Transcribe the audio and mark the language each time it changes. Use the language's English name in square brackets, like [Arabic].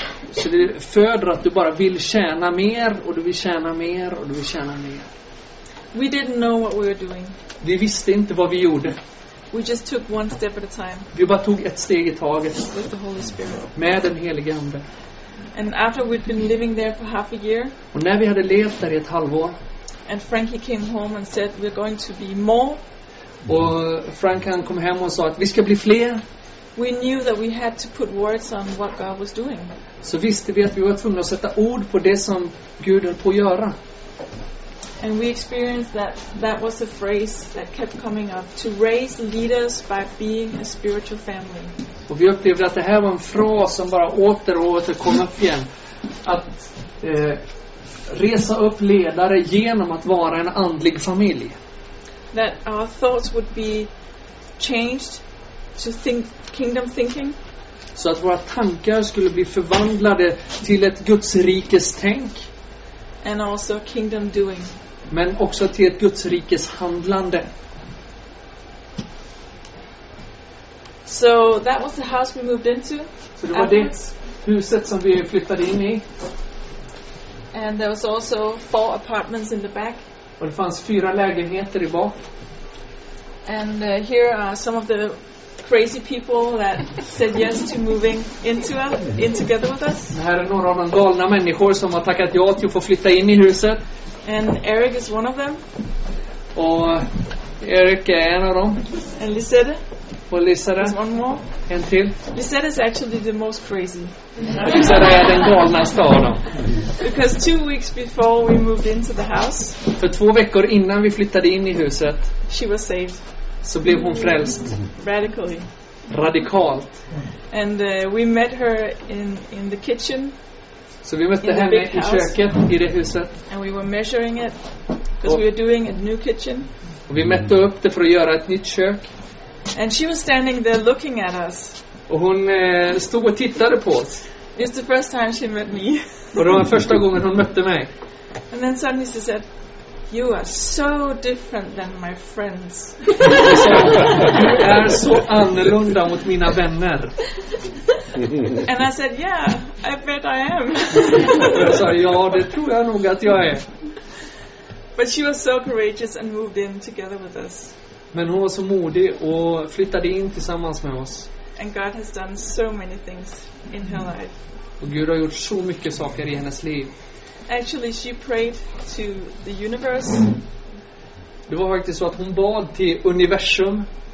[Swedish] Så det föder att du bara vill tjäna mer och du vill tjäna mer och du vill tjäna mer. [English] We didn't know what we were doing. [Swedish] Vi visste inte vad vi gjorde. [English] We just took one step at a time. [Swedish] Vi bara tog ett steg i taget. [English] With the Holy Spirit. [Swedish] Med den helige ande. [English] And after we'd been living there for half a year. [Swedish] Och när vi hade levt där i ett halvår. [English] And Frankie came home and said we're going to be more. [Swedish] Och Frank han kom hem och sa att vi ska bli fler. [English] We knew that we had to put words on what God was doing. [Swedish] Så visste vi att vi var tvungna att sätta ord på det som Gud höll på att göra. [English] And we experienced that was a phrase that kept coming up, to raise leaders by being a spiritual family. [Swedish] Och vi upplevde att det här var en fras som bara åter och åter kom upp igen, att resa upp ledare genom att vara en andlig familj. [English] That our thoughts would be changed to think kingdom thinking. [Swedish] Så att våra tankar skulle bli förvandlade till ett Guds rikes tänk. [English] And also kingdom doing. [Swedish] Men också till ett Guds rikes handlande. [English] So that was the house we moved into. [Swedish] Så det var det huset som vi flyttade in i. [English] And there was also four apartments in the back. [Swedish] Och det fanns fyra lägenheter i bak. [English] And here are some of the crazy people that said yes to moving in together with us. [Swedish] Det här är några av de galna människor som har tackat ja till att få flytta in i huset. [English] And Eric is one of them. [Swedish] Och Eric är en av dem. [English] And Lisette. [Swedish] Och Lisette. [English] There's one more. [Swedish] En till. [English] Lisette is actually the most crazy. [Swedish] Lisette är den galnaste av dem. [English] Because 2 weeks before we moved into the house. [Swedish] För 2 veckor innan vi flyttade in i huset. [English] She was saved. [Swedish] Så blev hon frälst. [English] Radically. [Swedish] Radikalt. [English] And we met her in the kitchen. [Swedish] Så vi mötte henne i köket i det huset. [English] And we were measuring it because we were doing a new kitchen. [Swedish] Och vi mätte upp det för att göra ett nytt kök. [English] And she was standing there looking at us. [Swedish] Och hon stod och tittade på oss. [English] It's the first time she met me. [Swedish] Och det var första gången hon mötte mig. [English] And then suddenly she said, "You are so different than my friends." [Swedish] Du är så annorlunda mot mina vänner. [English] And I said, "Yeah, I bet I am." [Swedish] Jag sa, ja, det tror jag nog att jag är. [English] But she was so courageous and moved in together with us. [Swedish] Men hon var så modig och flyttade in tillsammans med oss. [English] And God has done so many things in her life. [Swedish] Och Gud har gjort så mycket saker i hennes liv. [English] Actually, she prayed to the universe. [Swedish] Det var faktiskt så att hon bad till universum.